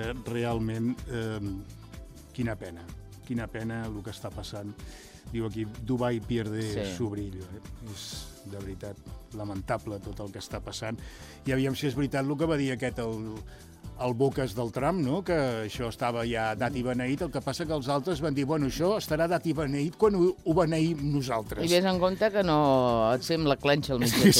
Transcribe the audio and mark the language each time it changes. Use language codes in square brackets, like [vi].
[ca] Realment, quina pena el que està passant. Diu aquí, [es] Dubai pierde su brillo. [ca] És, de veritat, lamentable tot el que està passant. I aviam si és veritat el que va dir aquest, el Bocas del Trump, no? Que això estava ja dat i beneït. El que passa que els altres van dir, bueno, això estarà dat i beneït quan ho beneïm nosaltres. I vés en compte que no et fem la clenxa al mig de tu,